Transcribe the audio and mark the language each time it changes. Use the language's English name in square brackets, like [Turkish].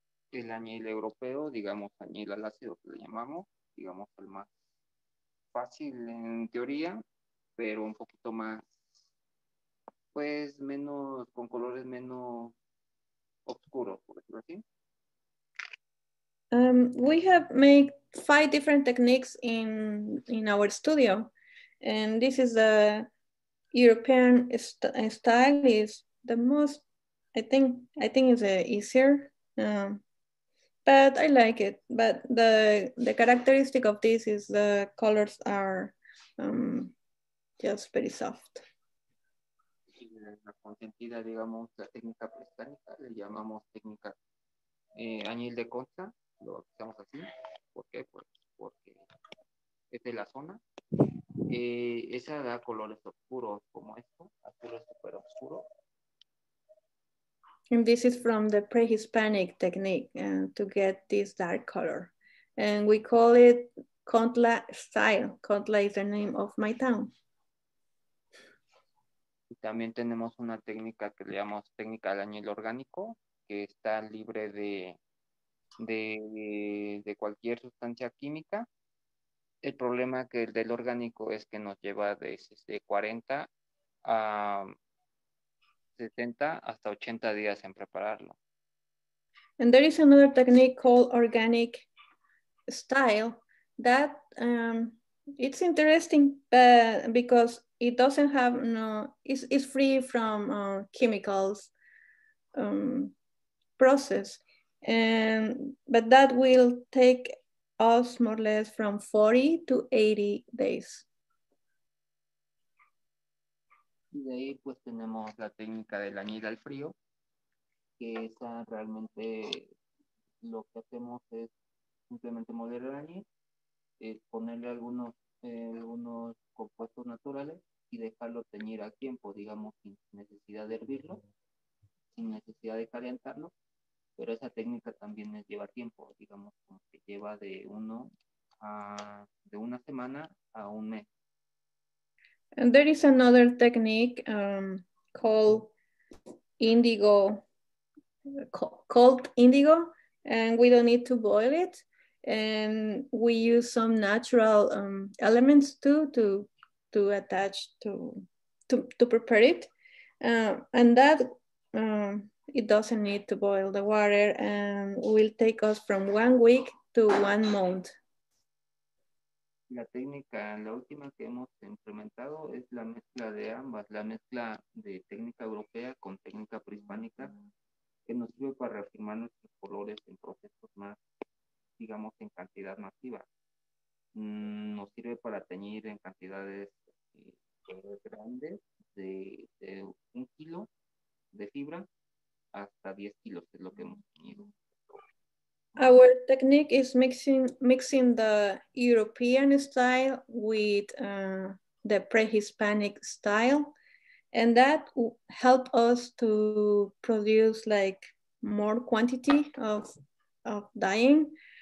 [Spanish] El añil europeo, digamos añil al ácido, que le llamamos, digamos el más fácil en teoría, pero un poquito más, pues menos, con colores menos oscuros, por decirlo así. [English] We have made 5 different techniques in our studio, and this is the European style is the most, I think it's easier, but I like it. But the characteristic of this is the colors are just very soft. [Spanish] La consentida, digamos, la técnica prehispánica, le llamamos técnica añil de concha, lo hacemos así. ¿Por qué? Pues porque es de la zona. Esa da colores oscuros como esto, azul super oscuro. [English] And this is from the pre-Hispanic technique to get this dark color. And we call it Contla style. Contla is the name of my town. [Spanish] Y también tenemos una técnica que le llamamos técnica de añil orgánico, que está libre de cualquier sustancia química. El problema que el del orgánico es que nos lleva desde 40 a 60 hasta 80 días en prepararlo. [English] And there is another technique called organic style that it's interesting, but because it doesn't have it's free from chemicals process, but that will take us more or less from 40 to 80 days. [Spanish] Y de ahí pues tenemos la técnica del añil al frío, que esa realmente lo que hacemos es simplemente moler el añil, ponerle algunos compuestos naturales y dejarlo teñir a tiempo, digamos, sin necesidad de hervirlo, sin necesidad de calentarlo. Pero esa técnica también lleva tiempo, digamos, como que lleva de una semana a un mes. [English] And there is another technique called indigo, cold indigo, and we don't need to boil it. And we use some natural elements too to attach to prepare it. It doesn't need to boil the water and will take us from 1 week to 1 month. [Spanish] La técnica, la última que hemos implementado es la mezcla de ambas, la mezcla de técnica europea con técnica prehispánica, que nos sirve para reafirmar nuestros colores en procesos más, digamos, en cantidad masiva. Nos sirve para teñir en cantidades grandes de 1 kilo de fibra hasta 10 kilos, es lo que hemos tenido. [English] Our technique is mixing the European style with the pre-Hispanic style, and that help us to produce like more quantity of dyeing.